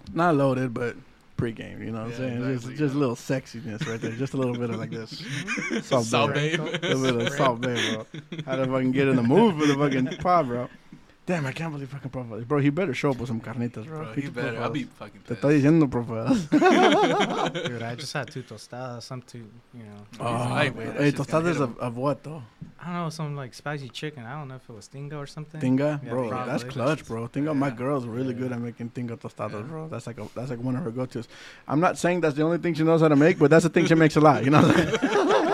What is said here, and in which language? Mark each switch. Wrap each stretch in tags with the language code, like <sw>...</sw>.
<en>Not loaded, but pregame, you know what I'm saying? Exactly, just a little sexiness right there. Just a little bit of like this. Salt babe. A little bit of salt babe, bro. How to fucking get in the mood for the fucking pod, bro. Damn, I can't believe fucking profile. Bro, he better show up with some carnitas, bro. He better. Profiles. I'll be fucking pissed.</en> <es>Te estoy diciendo, profile.</es> <en>Dude, I just had 2 tostadas, some two, you know. Oh, hey, tostadas of what, though? I don't know, some like spicy chicken. I don't know if it was tinga or something. Tinga? Yeah, bro, probably. That's clutch, bro. Tinga, yeah. My girl's really good at making tinga tostadas, bro. That's like one of her go-tos. I'm not saying that's the only thing she knows how to make, but that's the thing she makes a lot, you know what I'm saying?</en>